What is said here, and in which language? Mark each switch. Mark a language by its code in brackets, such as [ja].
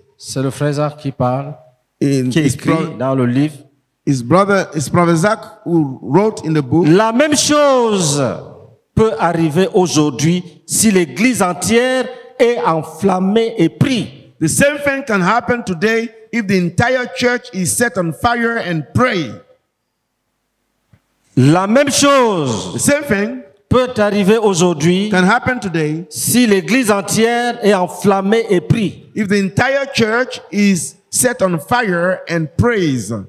[fr] C'est le frère Zach qui parle, qui écrit dans le livre. [en] His brother Zach, who wrote in the book. [fr] La même chose peut arriver aujourd'hui si l'église entière est enflammée et prie. [en] The same thing can happen today if the entire church is set on fire and pray. [fr] La même chose. [en] The same thing [fr] peut arriver aujourd'hui [en] can happen today [fr] si l'église entière est enflammée et prie. [en] If the entire church is set on fire and prays.